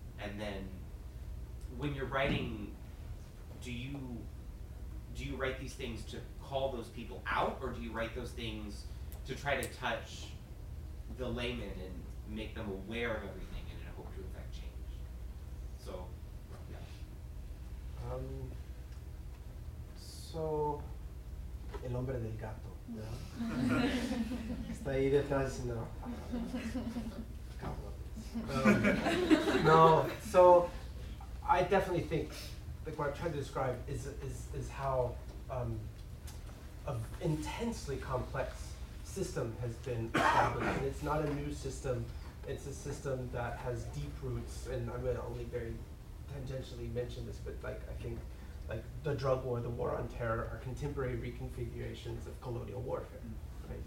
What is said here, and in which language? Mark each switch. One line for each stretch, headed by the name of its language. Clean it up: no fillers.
English: And then when you're writing, do you do you write these things to call those people out, or do you write those things to try to touch the layman and make them aware of everything and in a hope to affect change? So, yeah.
Spanish: So, el hombre del gato, está ahí detrás, no.
English: So I definitely think, like what I tried to describe is how an intensely complex system has been established. And it's not a new system, it's a system that has deep roots, and I'm gonna only very tangentially mention this, but like I think like the drug war, the war on terror, are contemporary reconfigurations of colonial warfare. Right?